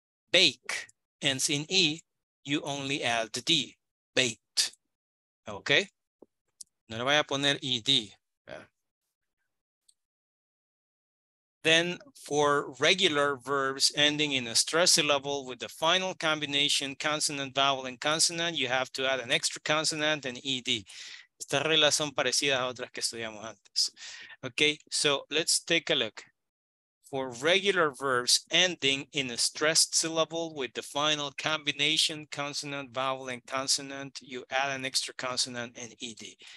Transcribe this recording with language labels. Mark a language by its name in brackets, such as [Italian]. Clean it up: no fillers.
[English] Bake ends in E. You only add D, baked. Okay. [Spanish] No le voy a poner ED. [English] Then for regular verbs ending in a stress syllable with the final combination consonant, vowel, and consonant, you have to add an extra consonant and ed. [Spanish] Estas reglas son parecidas a otras que estudiamos antes. [English] Okay, so let's take a look. For regular verbs ending in a stressed syllable with the final combination consonant, vowel, and consonant, you add an extra consonant and ed.